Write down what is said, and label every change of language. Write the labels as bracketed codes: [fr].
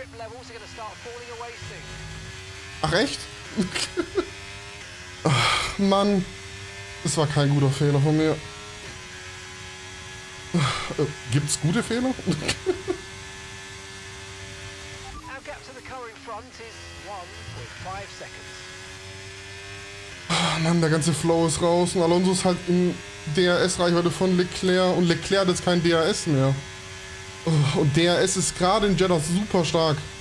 [en] grip levels are going to start falling away soon. [de] Ach echt? Ach, Mann, das war kein guter Fehler von mir. Gibt's gute Fehler? [en] Our gap to the current front is 1.5 seconds. [de] Mann, der ganze Flow ist raus und Alonso ist halt in DRS-Reichweite von Leclerc und Leclerc hat jetzt kein DRS mehr. Und DRS ist gerade in Jeddah super stark.